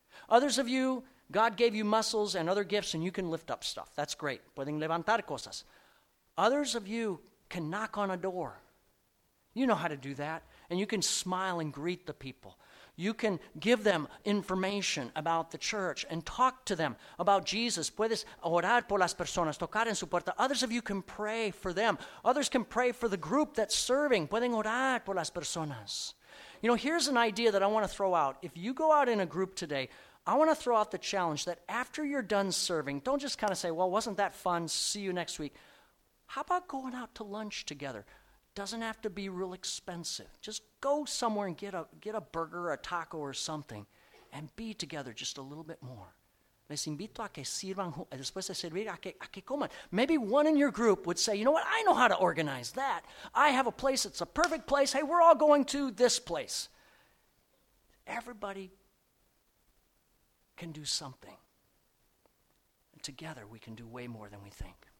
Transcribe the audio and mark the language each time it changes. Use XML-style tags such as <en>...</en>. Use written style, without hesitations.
<en>Others of you, God gave you muscles and other gifts and you can lift up stuff. That's great.</en> <es>Pueden levantar cosas.</es> <en>Others of you can knock on a door. You know how to do that. And you can smile and greet the people. You can give them information about the church and talk to them about Jesus.</en> <es>Puedes orar por las personas, tocar en su puerta.</es> <en>Others of you can pray for them. Others can pray for the group that's serving.</en> <es>Pueden orar por las personas.</es> <en>You know, here's an idea that I want to throw out. If you go out in a group today, I want to throw out the challenge that after you're done serving, don't just kind of say, well, wasn't that fun? See you next week. How about going out to lunch together? doesn't have to be real expensive. Just go somewhere and get a burger, a taco, or something, and be together just a little bit more.</en> <es>Les invito a que sirvan, después de servir, a que coman.</es> <en>Maybe one in your group would say, you know what, I know how to organize that. I have a place, it's a perfect place. Hey, we're all going to this place. Everybody can do something. And together, we can do way more than we think.</en>